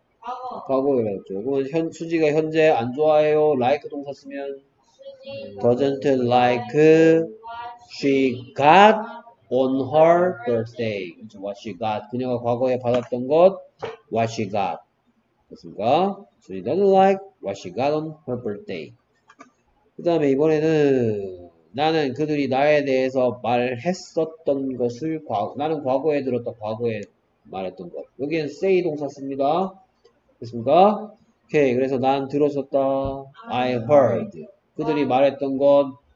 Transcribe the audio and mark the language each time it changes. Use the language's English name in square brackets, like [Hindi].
[Korean] 과거. 과거 이랬죠. 그러면 수지가 현재 안 좋아해요. [English] like [Korean] 동사 쓰면 [English] doesn't like she got on her birthday. What she got. [Korean] 그녀가 과거에 받았던 것. [English] What she got. [Korean] 됐습니까? [English] So she doesn't like what she got on her birthday. [Korean] 그 다음에 이번에는 나는 그들이 나에 대해서 말했었던 것을 나는 과거에 들었다. 과거에 말했던 것. 여기는 say 동사 씁니다. 됐습니까? 오케이. 그래서 난 들었었다. [English] I heard. [Korean] 그들이 말했던 것.